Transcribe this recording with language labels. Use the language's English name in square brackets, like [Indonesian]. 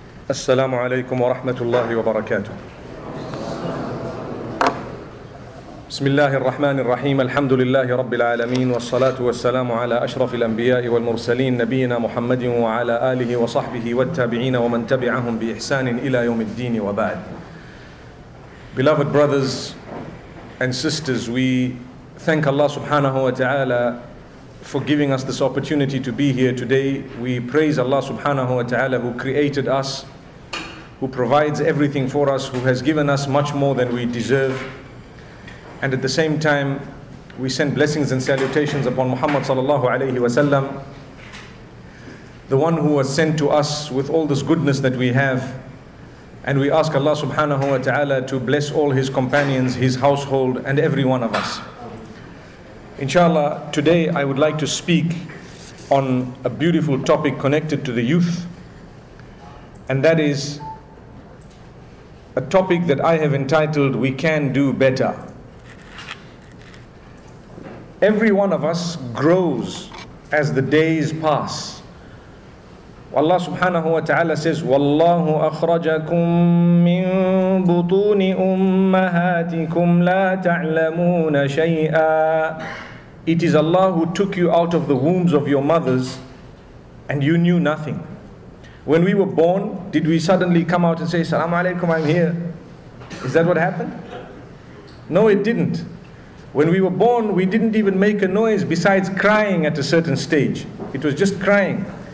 [Arabic] السلام عليكم ورحمة الله وبركاته بسم الله الرحمن الرحيم الحمد لله رب العالمين والصلاة والسلام على أشرف الأنبياء والمرسلين نبينا محمد وعلى آله وصحبه والتابعين ومن تبعهم بإحسان إلى يوم الدين وبعد. [English] Beloved brothers and sisters, we thank Allah subhanahu wa ta'ala for giving us this opportunity to be here today. We praise Allah subhanahu wa ta'ala who created us, who provides everything for us, who has given us much more than we deserve. And at the same time, we send blessings and salutations upon Muhammad sallallahu alayhi wa sallam, the one who was sent to us with all this goodness that we have. And we ask Allah subhanahu wa ta'ala to bless all his companions, his household, and every one of us. Inshallah, today I would like to speak on a beautiful topic connected to the youth. And that is a topic that I have entitled, We Can Do Better. Every one of us grows as the days pass. Allah subhanahu wa ta'ala says, [Arabic] وَاللَّهُ أَخْرَجَكُمْ مِنْ بُطُونِ أُمَّهَاتِكُمْ لَا تَعْلَمُونَ شَيْئًا. [English] It is Allah who took you out of the wombs of your mothers and you knew nothing. When we were born, did we suddenly come out and say, Salaamu Alaikum, I'm here? Is that what happened? No, it didn't. When we were born, we didn't even make a noise besides crying at a certain stage. It was just crying.